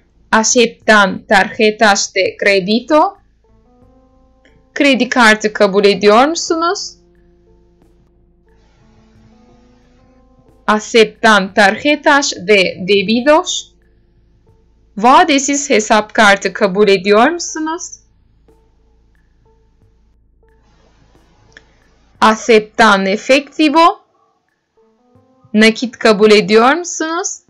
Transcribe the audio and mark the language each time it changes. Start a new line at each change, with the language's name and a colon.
Spanish: ¿Aceptan tarjetas de crédito?
Turkish: Kredi kartı kabul ediyor musunuz?
Spanish: ¿Aceptan tarjetas de débitos?
Turkish: Vadesiz hesap kartı kabul ediyor musunuz?
Spanish: ¿Aceptan efectivo?
Turkish: Nakit kabul ediyor musunuz?